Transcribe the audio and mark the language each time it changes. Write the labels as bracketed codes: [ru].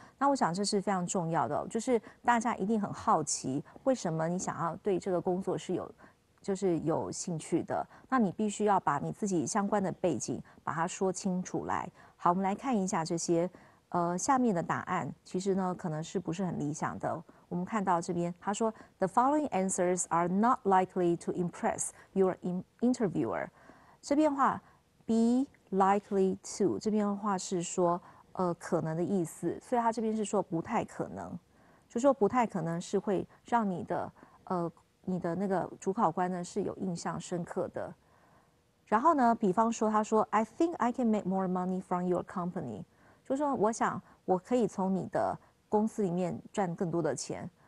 [zh] 那我想这是非常重要的，就是大家一定很好奇为什么你想要对这个工作是有就是有兴趣的，那你必须要把你自己相关的背景把它说清楚来。好，我们来看一下这些下面的答案，其实呢可能是不是很理想的。我们看到这边他说 [en] The following answers are not likely to impress your interviewer. [zh] 这边的话 [en] be likely to, [zh] 这边的话是说可能的意思，所以他这边是说不太可能，就说不太可能是会让你的那个主考官呢是有印象深刻的。然后呢比方说他说 [en] I think I can make more money from your company, [zh] 就说我想我可以从你的公司里面赚更多的钱。